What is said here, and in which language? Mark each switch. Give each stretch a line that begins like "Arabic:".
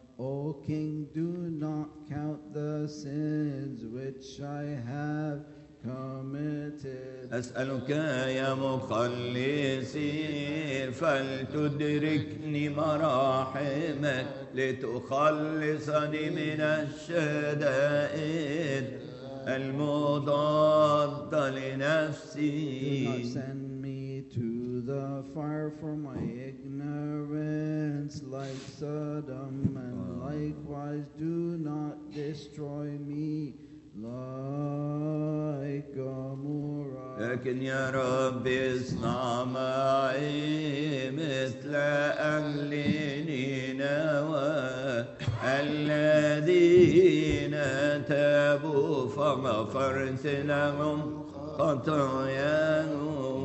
English: O King, do not count the sins which I have committed.
Arabic: أسألك يا مخلصي فلتدركني مراحمك لتخلصني من الشدائد المضادة لنفسي.
English: The fire for my ignorance like Sodom, and likewise do not destroy me like Gomorrah.
Arabic: لكن يا ربي اصنع معي مثل أهل نينوى الذين تابوا فغفرت لهم خطاياهم.